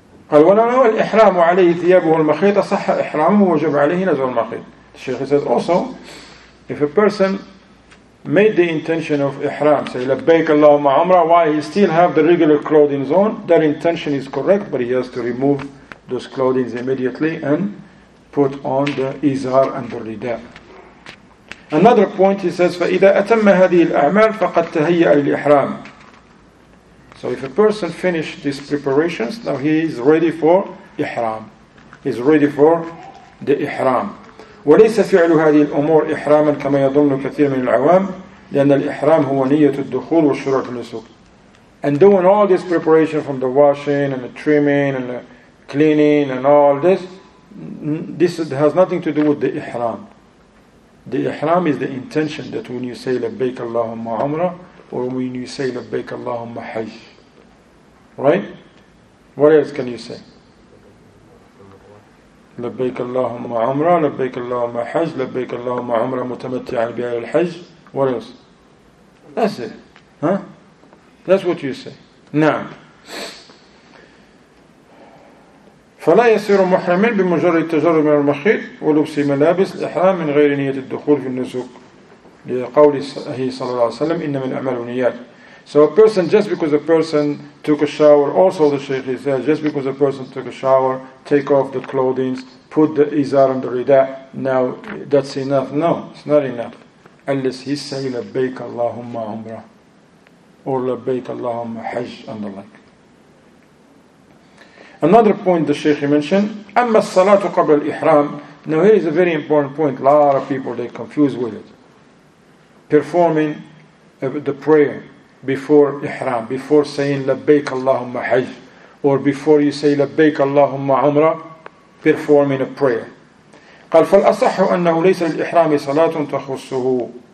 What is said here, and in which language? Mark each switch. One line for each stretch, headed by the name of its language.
Arabic: قال وَنَوَى الْإِحْرَامُ عَلَيْهِ ثِيَابُهُ الْمَخِيطَ صَحَّ إِحْرَامُهُ وَجَبْ عَلَيْهِ نَزْوَ الْمَخِيطَ.
English: The Shaykh says also, if a person made the intention of ihram, say labbaik Allahumma umrah, while he still have the regular clothing on, that intention is correct, but he has to remove those clothing immediately and put on the izar and the rida. Another point, he says,
Arabic: فَإِذَا أَتَمَّ هَذِهِ الْأَعْمَالِ فَقَدْ تَهَيَّأَ لِلْإِحْرَامِ.
English: So if a person finished these preparations, now he is ready for ihram. He is ready for the ihram.
Arabic: وَلَيْسَ فِعْلُ هَذِهِ الْأُمُورِ إِحْرَامًا كَمَا يَظُنُّ كَثِيرٌ مِنَ الْعَوَامِ لِأَنَّ الْإِحْرَامَ هُوَ نِيَّةُ الدُّخُولِ وَالشُّرُوعِ فِي النُّسُكِ.
English: And doing all this preparation from the washing and the trimming and the cleaning and all this, this has nothing to do with the ihram. The ihram is the intention that when you say
Arabic: لبيك اللهم عمرة
English: or when you say
Arabic: لبيك اللهم حج.
English: Right? What else can you say?
Arabic: لبيك اللهم عمرة لبيك اللهم حج لبيك اللهم عمرة متمتعا بأهل الحج.
English: What else? That's it. Huh? That's what you say.
Arabic: نعم. فلا يصير محرما بمجرد التجرد من المخيط ولبس ملابس الإحرام من غير نية الدخول في النسك لقوله صلى الله عليه وسلم إنما الأعمال بالنيات.
English: So a person, just because a person took a shower, also the Shaykh is there, just because a person took a shower, take off the clothing, put the izar and the rida, now that's enough. No, it's not enough. Unless he say
Arabic: لبيك اللهم عمرة
English: or
Arabic: لبيك اللهم حج
English: and the like. Another point the Shaykh mentioned,
Arabic: أما الصلاة قبل الإحرام.
English: Now here is a very important point. A lot of people, they confuse with it. Performing the prayer before إحرام, before saying
Arabic: لبيك اللهم حج,
English: or before you say
Arabic: لبيك اللهم عمرة,
English: performing a prayer.
Arabic: قال فالأصح أنه ليس للإحرام صلاة تخصه.